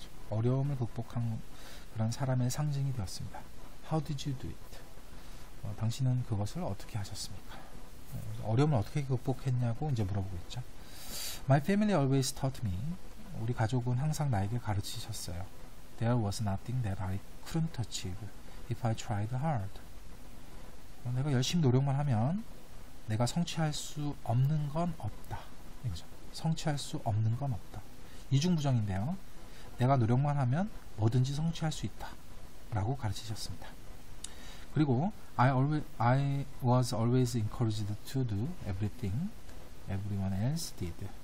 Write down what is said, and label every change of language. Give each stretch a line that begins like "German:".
Korean: 어려움을 극복한 그런 사람의 상징이 되었습니다.
English: How did you do it?
Korean: 당신은 그것을 어떻게 하셨습니까? 어려움을 어떻게 극복했냐고 이제 물어보고 있죠.
English: My family always taught me.
Korean: 우리 가족은 항상 나에게 가르치셨어요.
English: There was nothing that I couldn't achieve if I tried hard.
Korean: 내가 열심히 노력만 하면 내가 성취할 수 없는 건 없다. 이거죠. 성취할 수 없는 건 없다. 이중부정인데요. 내가 노력만 하면 뭐든지 성취할 수 있다 라고 가르치셨습니다.
English: 그리고 I was always encouraged to do everything everyone else did.